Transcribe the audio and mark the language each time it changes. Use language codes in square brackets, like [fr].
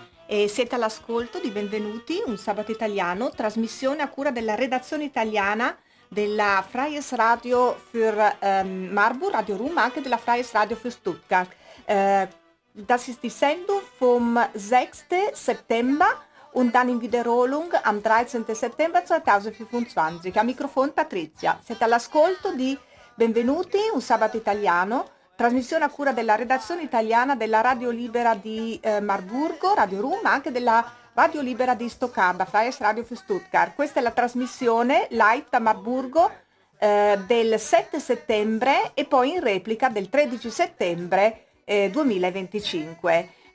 [it] E siete all'ascolto di Benvenuti, un sabato italiano, trasmissione a cura della redazione italiana della Freies Radio für Marburg, Radio Rum, ma anche della Freies Radio für Stuttgart. [de] Das ist die Sendung vom 6. September und dann in Wiederholung am 13. September 2025. [it] A microfono Patrizia. Siete all'ascolto di Benvenuti, un sabato italiano. Trasmissione a cura della redazione italiana della Radio Libera di Marburgo, Radio Rum, ma anche della Radio Libera di Stoccarda, Freies Radio für Stuttgart. Questa è la trasmissione live da Marburgo del 7 settembre e poi in replica del 13 settembre 2025.